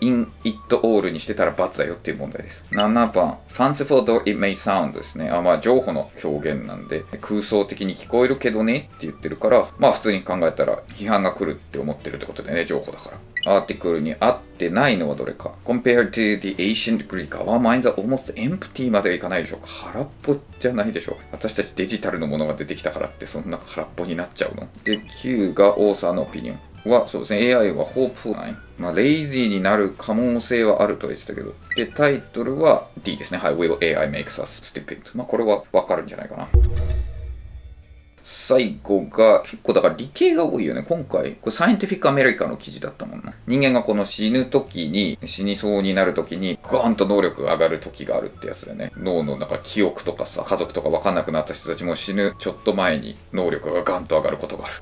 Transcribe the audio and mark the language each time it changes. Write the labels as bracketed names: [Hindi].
[Japanese] in it all にしてたら罰だよっていう問題です。7番 [English] fanciful though it may sound [Japanese] ですね。あ、まあ情報の表現なんで空想的に聞こえるけどねって言ってるから、まあ普通に考えたら批判が来るって思ってるってことでね、情報だから。アーティクルに合ってないのはどれか。 [English] Compared to the ancient Greek, our minds are almost empty [Japanese] まではいかないでしょう。空っぽじゃないでしょう。私たちデジタルのものが出てきたからってそんな空っぽになっちゃうの。で、Q がオーサーのオピニオンは、そうですね、AI は Hopeful ない。まあ、Lazy になる可能性はあると言ってたけど。で、タイトルは D ですね。はい、 [English] Will AI makes us stupid? [Japanese] まあ、これはわかるんじゃないかな。最後が結構だから理系が多いよね今回。これサイエンティフィックアメリカの記事だったもんな。人間がこの死ぬ時に、死にそうになる時にガーンと能力が上がる時があるってやつだよね。脳のなんか記憶とかさ、家族とか分かんなくなった人たちも死ぬちょっと前に能力がガーンと上がることがある。